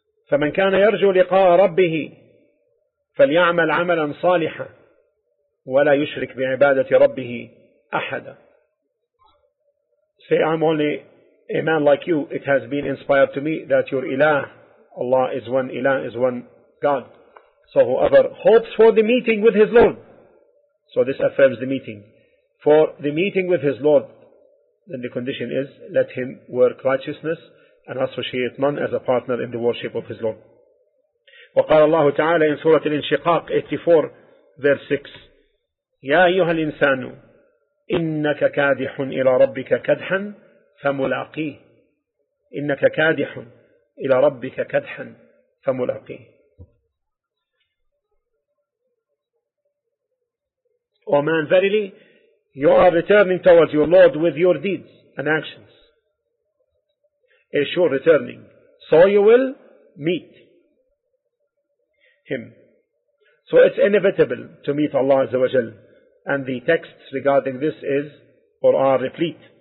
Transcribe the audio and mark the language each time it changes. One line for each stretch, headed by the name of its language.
Arabic: فَمَنْ كَانَ يَرْجُو لِقَاءَ رَبِّهِ فَلْيَعْمَلْ عَمَلًا صَالِحًا وَلَا يُشْرِكْ بِعِبَادَةِ رَبِّهِ أَحَدًا.
English: Say, I'm only a man like you, it has been inspired to me that your ilah, Allah is one ilah, is one God. So whoever hopes for the meeting with his Lord, so this affirms the meeting. For the meeting with his Lord, then the condition is, let him work righteousness and associate none as a partner in the worship of his Lord.
Arabic: وقال الله تعالى
English: in Surah Al-Inshiqaq 84, verse 6,
Arabic: يَا أَيُّهَا الْإِنسَانُ إِنَّكَ كَادِحٌ إِلَى رَبِّكَ كَدْحًا فَمُلَاقِيهِ إِنَّكَ كَادِحٌ إِلَى رَبِّكَ كَدْحًا فَمُلَاقِيهِ.
English: O man, verily, you are returning towards your Lord with your deeds and actions. A sure returning. So you will meet him. So it's inevitable to meet Allah Azza wa Jal. And the texts regarding this is, or are replete.